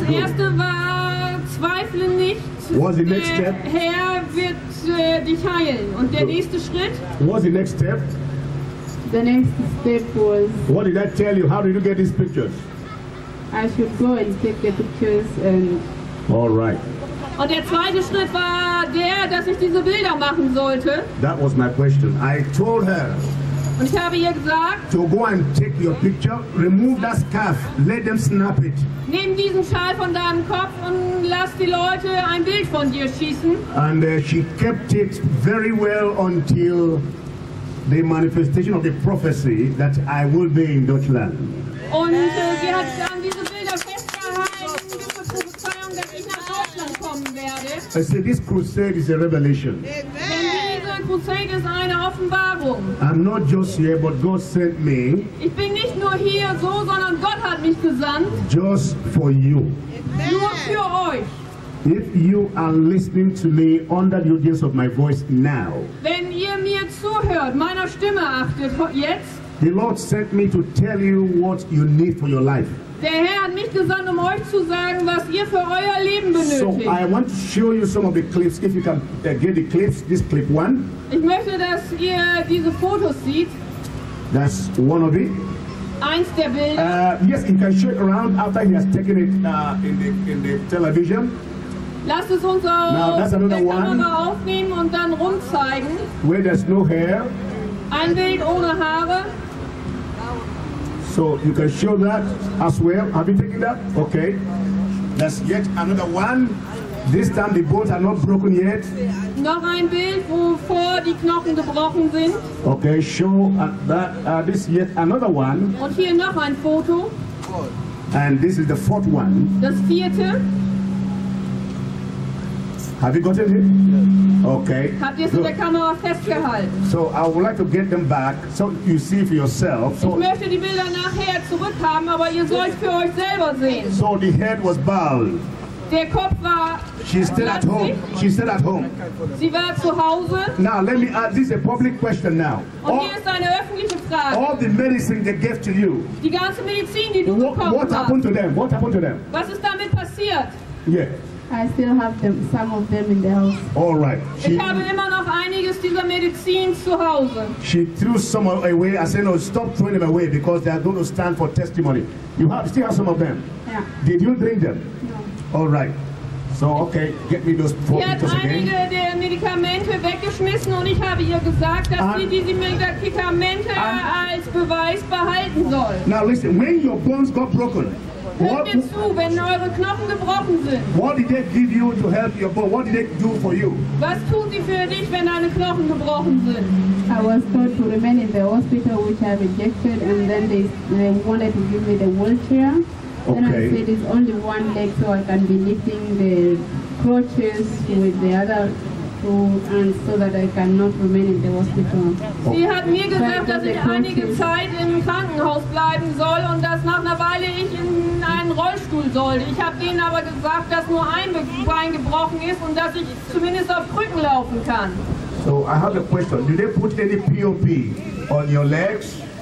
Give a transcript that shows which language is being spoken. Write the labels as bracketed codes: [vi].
[de] good. Das erste war, zweifle nicht. [en] What's the next step? [de] Der Herr wird dich heilen. Und der nächste Schritt? [en] What's the next step? The next step was, what did I tell you? How did you get these pictures? I should go and take the pictures and... All right. [de] Und der zweite Schritt war der, dass ich diese Bilder machen sollte. [en] That was my question. I told her, [de] und ich habe ihr gesagt, [en] to go and take your picture, remove that scarf, let them snap it. [de] Nimm diesen Schal von deinem Kopf und lass die Leute ein Bild von dir schießen. [en] And she kept it very well until the manifestation of the prophecy that I will be in Deutschland. [de] Und sie hat dann diese Bilder festgehalten, dass ich nach Deutschland kommen werde. [en] I said, this crusade is a revelation. [de] Amen. Crusade ist eine Offenbarung. [en] I'm not just here, but God sent me. [de] Ich bin nicht nur hier so, sondern Gott hat mich gesandt. [en] Just for you. [de] Amen. Nur für euch. [en] If you are listening to me under the audience of my voice now. [de] Wenn ihr mir zuhört, meiner Stimme achtet, jetzt. [en] The Lord sent me to tell you what you need for your life. [de] Der Herr hat mich gesandt, um euch zu sagen, was ihr für euer Leben benötigt. [en] So, I want to show you some of the clips, if you can get the clips, this clip one. [de] Ich möchte, dass ihr diese Fotos seht. [en] That's one of it. [de] Eins der Bilder. [en] Yes, he can show it around after he has taken it in the television. [de] Lasst es uns auf der Kamera aufnehmen und dann rumzeigen. [en] Where there's no hair. [de] Ein Bild ohne Haare. [en] So you can show that as well. Have you taken that? Okay. That's yet another one. This time the bones are not broken yet. [de] Noch ein Bild, wo vor die Knochen gebrochen sind. [en] Okay, show that. This is yet another one. [de] Und hier noch ein Foto. [en] And this is the fourth one. [de] Das vierte. [en] Have you got it? Yes. Okay. [de] Habt ihr es in der Kamera festgehalten? [en] So I would like to get them back, so you see for yourself. So, [de] ich möchte die Bilder nachher zurückhaben, aber ihr sollt für euch selber sehen. [en] So the head was bald. [de] Der Kopf war. [en] She's still at home. She's still at home. [de] Sie war zu Hause. [en] Now let me ask. This is a public question now. [de] Und all, hier ist eine öffentliche Frage. [en] All the medicine they gave to you. [de] Die ganze Medizin, die du bekommen hast. [en] What happened to them? What happened to them? [de] Was ist damit passiert? [en] Yeah. I still have them, some of them in the house. All right. [de] She, ich habe immer noch einiges dieser Medizin zu Hause. [en] She threw some away. I said, no, stop throwing them away because they are going to stand for testimony. You have still have some of them? Yeah. Did you drink them? No. All right. So, okay, get me those four again. [de] Sie hat einige der Medikamente weggeschmissen und ich habe ihr gesagt, dass sie diese Medikamente als Beweis behalten soll. [en] Now listen, when your bones got broken, [de] hört mir zu, wenn eure Knochen gebrochen sind. [en] What did they give you to help your bone? What did they do for you? [de] Was tun sie für dich, wenn deine Knochen gebrochen sind? [en] I was told to remain in the hospital, which I rejected, and then they wanted to give me the wheelchair. Okay. And I said it's only one leg, so I can be lifting the crutches with the other. And so that I cannot remain in the hospital. [de] Sie hat mir gesagt, dass ich einige Zeit im Krankenhaus bleiben soll und dass nach einer Weile ich in einen Rollstuhl soll. Ich habe denen aber gesagt, dass nur ein Bein gebrochen ist und dass ich zumindest auf Krücken laufen kann. [en] So, I have a question. Did they put any POP on your legs?